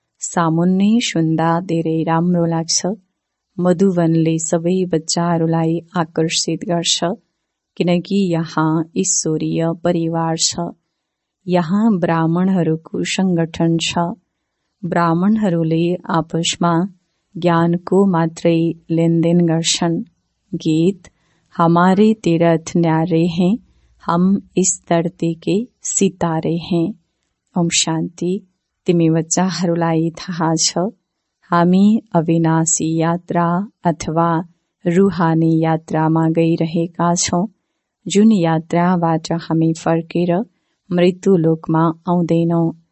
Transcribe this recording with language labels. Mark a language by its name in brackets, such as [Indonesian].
[Nepali] सामुन्ने सुन्दा धेरै राम्रो लाग्छ। मधुवनले सबै बच्चाहरूलाई आकर्षित गर्छ, किनकि यहाँ ईश्वरीय परिवार छ। यहाँ ब्राह्मणहरूको संगठन छ। ब्राह्मणहरूले आपसमा ज्ञानको मात्रै लेनदेन गर्छन्। [Hindi] गीत, हमारे तीरथ न्यारे हैं, हम इस धरती के सितारे हैं। ओम शांति। [Nepali] तिमी बच्चाहरूलाई थाहा छ, हामी अविनाशी यात्रा अथवा रूहानी यात्रामा गइरहेका छौँ, जुन यात्राबाट हामी फर्केर मृत्यु लोकमा आउँदैनौ।